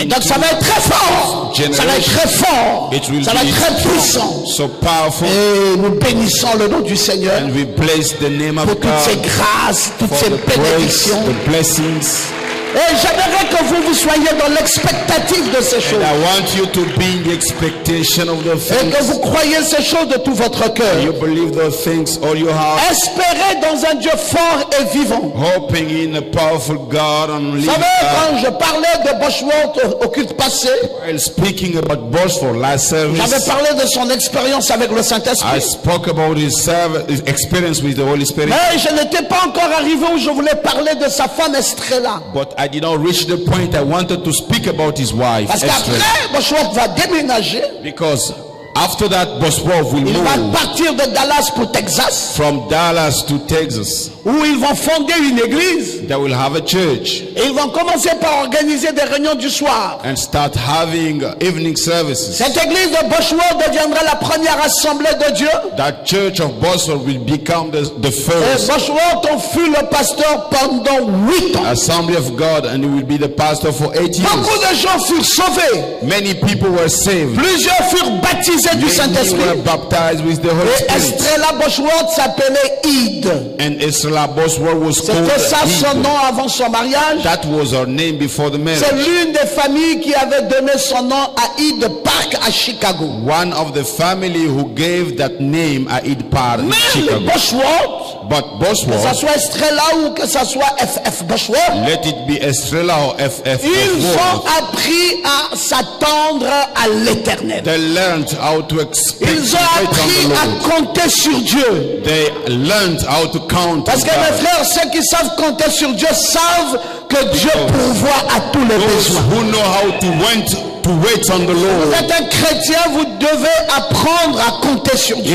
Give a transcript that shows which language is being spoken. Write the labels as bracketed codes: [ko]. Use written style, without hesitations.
[fr] et donc ça va être très fort. Ça va être très fort. [en] It will [fr] ça va être très puissant. [en] So powerful. [fr] Et nous bénissons le nom du Seigneur. [en] And we bless the name of [fr] pour toutes ces grâces, toutes ces bénédictions. [en] The blessings. [fr] Et j'aimerais que vous soyez dans l'expectative de ces choses. [en] I want you to be in the expectation of the [fr] things. Et que vous croyez ces choses de tout votre cœur. [en] You believe those things all your heart. [fr] Espérez dans un Dieu fort et vivant. [en] Hoping in a powerful God and living. [fr] Vous savez quand je parlais de Bosworth au culte passé. [en] While speaking about Bosworth last service. [fr] J'avais parlé de son expérience avec le Saint-Esprit. [en] I spoke about his experience with the Holy Spirit. [fr] Mais je n'étais pas encore arrivé où je voulais parler de sa femme Estrella. [en] But I did not reach the point I wanted to speak about his wife. [fr] Parce qu'après, Bosworth va déménager. [en] Because After that, Bosworth will move. [fr] Il va partir de Dallas pour Texas. [en] From Dallas to Texas. [fr] Où ils vont fonder une église. [en] They will have a church. [fr] Et ils vont commencer par organiser des réunions du soir. [en] And start having evening services. [fr] Cette église de Bosworth deviendra la première assemblée de Dieu. [en] That church of Bosworth will become the first. [fr] Et Bosworth en fut le pasteur pendant 8 ans. [en] Assembly of God, and he will be the pastor for 8 years. [fr] Beaucoup de gens furent sauvés. [en] Many people were saved. [fr] Plusieurs furent baptisés. Du Saint-Esprit. Et Estrella Bosworth s'appelait Ide. [en] And Estrella Bosworth was called Ide. [fr] C'était ça son nom avant son mariage. [en] That was her name before the marriage. [fr] C'est l'une des familles qui avait donné son nom à Ide Park à Chicago. [en] One of the family who gave that name à Ide Park in Chicago. [fr] Mais Bosworth. [en] But Bosworth. [fr] Que ça soit Estrella ou que ça soit FF Bosworth. [en] Let it be Estrella or FF Bosworth. [fr] Ils ont appris à s'attendre à l'Éternel. [en] They learned how to expect. [fr] Ils ont appris à compter sur Dieu. [en] They learned how to count. [fr] Parce que mes frères, ceux qui savent compter sur Dieu savent que Dieu pourvoit à tous les [en] those [fr] besoins. [en] Who know how to went to wait on the Lord. [fr] Vous êtes un chrétien, vous devez apprendre à compter sur Dieu.